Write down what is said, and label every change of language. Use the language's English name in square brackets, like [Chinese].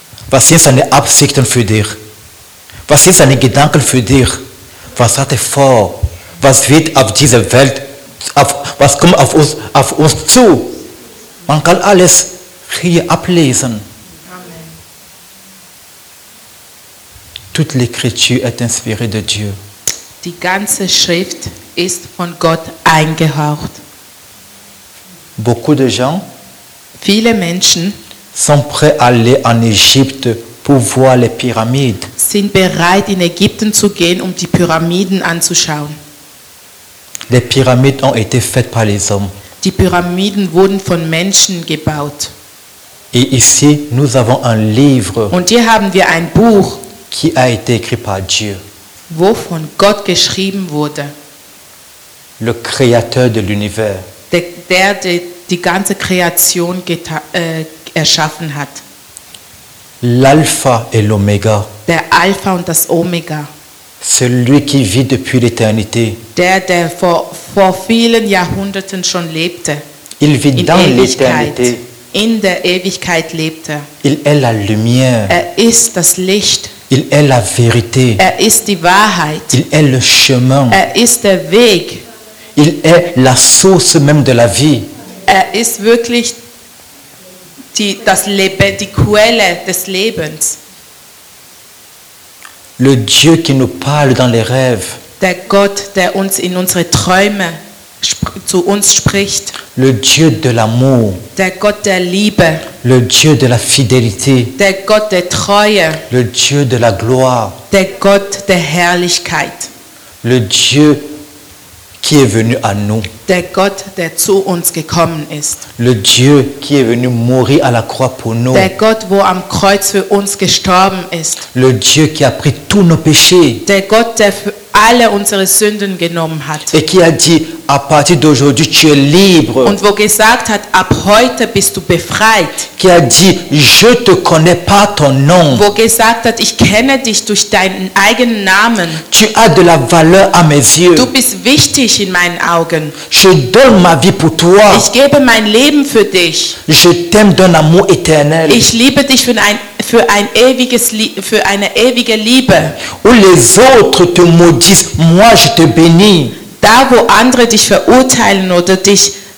[German] Was sind seine Absichten für dich? Was sind seine Gedanken für dich? Was hat er vor? Was wird auf dieser Welt, was kommt auf uns zu? Man kann alles hier ablesen. Amen. [French] Toute l'écriture est inspirée de Dieu. [German] Die ganze Schrift ist von Gott eingehaucht. [French] Beaucoup de gens, [German] viele Menschen, [French] sont prêts à aller en Égypte pour voir les pyramides. [German] Sind bereit in Ägypten zu gehen, um die Pyramiden anzuschauen. [French] Les pyramides ont été faites par les hommes. [German] Die Pyramiden wurden von Menschen gebaut. [French] Et ici, nous avons un livre. [German] Und hier haben wir ein Buch. [French] Qui a été écrit par Dieu. [German] Wo von Gott geschrieben wurde. [French] Le créateur de l'univers. [German] Der die ganze Kreation erschaffen hat. [French] L'Alpha et l'Omega. [German] Der Alpha und das Omega. [French] Celui qui vit depuis l'éternité. [German] Der vor vielen Jahrhunderten schon lebte. [French] Il vit dans l'éternité. [German] In der Ewigkeit lebte. [French] Il est la lumière. [German] Er ist das Licht. [French] Il est la vérité. [German] Er ist die Wahrheit. [French] Il est le chemin. [German] Er ist der Weg. [French] Il est la source même de la vie. [German] Er ist wirklich die Quelle des Lebens. [French] Le Dieu qui nous parle dans les rêves. [German] Der Gott, der uns in unsere Träume zu uns spricht. [French] Le Dieu de l'amour. [German] Der Gott der Liebe. [French] Le Dieu de la fidélité. [German] Der Gott der Treue. [French] Le Dieu de la gloire. [German] Der Gott der Herrlichkeit. [French] Le Dieu qui est venu à nous. [German] Der Gott, der zu uns gekommen ist. [French] Le Dieu qui est venu mourir à la croix pour nous. [German] Der Gott, wo am Kreuz für uns gestorben ist. [French] Le Dieu qui a pris tous nos péchés. [German] Der Gott, der alle unsere Sünden genommen hat. [French] Et qui a dit, à partir d'aujourd'hui, tu es libre. [German] Und wo gesagt hat, ab heute bist du befreit. [French] Qui a dit, je te connais pas ton nom. [German] Wo gesagt hat, ich kenne dich durch deinen eigenen Namen. [French] Tu as de la valeur à mes yeux. [German] Du bist wichtig in meinen Augen. [French] Je donne ma vie pour toi. [German] Ich gebe mein Leben für dich. [French] Je t'aime d'un amour éternel. [German] Ich liebe dich für eine ewige Liebe. [French] Où les autres te maudissent, moi je te bénis. [German] Da wo andere dich verurteilen oder dich